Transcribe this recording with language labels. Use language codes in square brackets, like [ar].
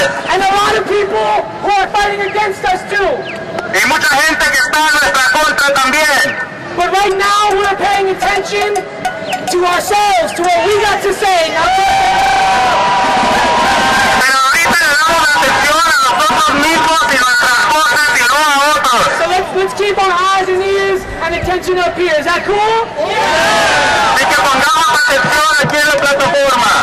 [en] And a lot of people who are fighting against us too. [es] Y mucha gente que está en nuestra contra también. [en] But right now we're paying attention to ourselves, to what we got to say. [es] Pero ahorita le damos atención a nosotros mismos y nuestras cosas y no a otros. [en] So let's keep our eyes and ears and attention up here. Is that cool? [es] Yeah. Y que pongamos atención aquí en la plataforma.